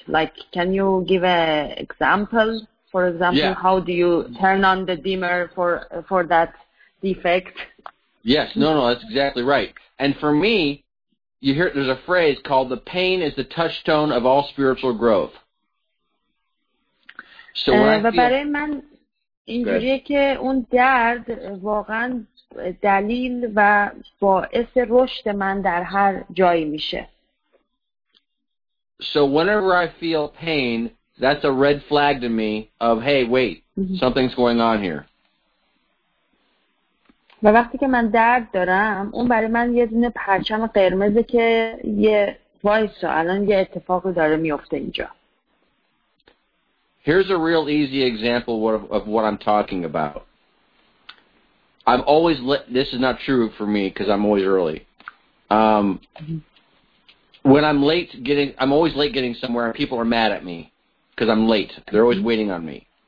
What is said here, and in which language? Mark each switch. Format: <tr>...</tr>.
<en>Like, can you give an example? For example, yeah. How do you turn on the dimmer for that defect? Yes. No. That's exactly right. And for me, you hear there's a phrase called the pain is the touchstone of all spiritual growth. So when</en> <fa>اینجوریه که اون درد واقعا دلیل و باعث رشد من در هر جایی میشه.</fa> <en>So whenever I feel pain, that's a red flag to me of, hey, wait, something's going on here.</en> <fa>و وقتی که من درد دارم، اون برای من یه دونه پرچم قرمزه که یه وایسو، الان یه اتفاقی داره میفته اینجا.</fa> <en>Here's a real easy example of what I'm talking about. I'm always this is not true for me because I'm always early. When I'm late getting, I'm always late getting somewhere and people are mad at me because I'm late. They're always waiting on me.</en>